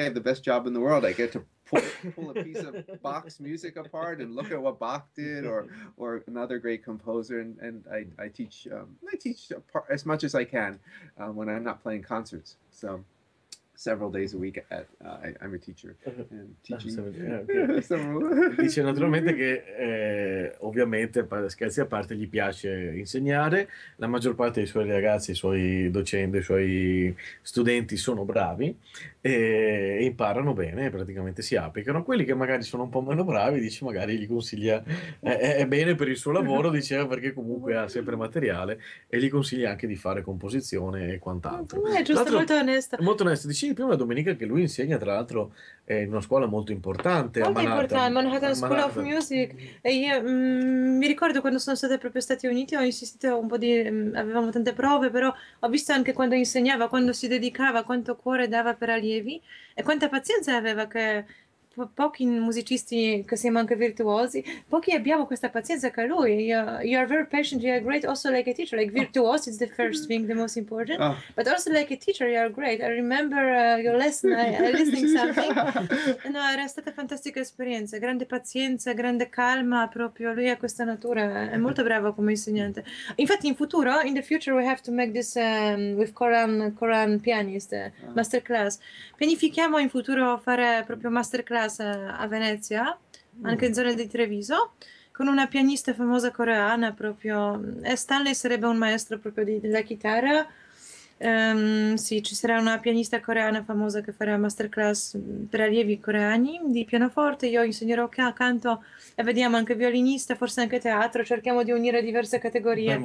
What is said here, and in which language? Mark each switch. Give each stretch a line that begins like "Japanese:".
English: I have the best job in the world. I get to pull a piece of Bach's music apart and look at what Bach did, or another great composer. And I teach as much as I can when I'm not playing concerts. So several days a week at I'm a teacher and teaching. Okay.
Italian: Dice naturalmente che ovviamente, scherzi a parte, gli piace insegnare. La maggior parte dei suoi ragazzi, i suoi docenti, i suoi studenti sono bravi e imparano bene, praticamente si applicano. Quelli che magari sono un po' meno bravi, dice, magari gli consiglia, è bene per il suo lavoro, diceva, perché comunque ha sempre materiale, e gli consiglia anche di fare composizione e quant'altro. È giusto, l'altro, molto onesto. Molto onesto. Dicevi prima, Domenica, che lui insegna, tra l'altro, in una scuola molto importante. Molto importante, Manhattan School of Music. E io mi ricordo quando sono stata proprio negli Stati Uniti, ho insistito un po' avevamo tante prove, però ho visto anche quando insegnava, quando si dedicava, quanto cuore dava per allievi e quanta pazienza aveva, che pochi musicisti, che siamo anche virtuosi, pochi abbiamo questa pazienza che lui.
English: You are very patient, you are great also like a teacher, like virtuosi is the first thing, the most important, but also like a teacher you are great. I remember your lesson, I listening something.
Italian: No, era stata fantastica esperienza, grande pazienza, grande calma, proprio lui ha questa natura, è molto bravo come insegnante. Infatti in futuro,
English: in the future we have to make this with Coran pianist masterclass.
Italian: Pianifichiamo in futuro fare proprio masterclass a Venezia, anche in zona di Treviso, con una pianista famosa coreana proprio, e Stanley sarebbe un maestro proprio della chitarra. Sì, ci sarà una pianista coreana famosa che farà masterclass per allievi coreani di pianoforte, io insegnerò canto e vediamo anche violinista, forse anche teatro, cerchiamo di unire diverse categorie.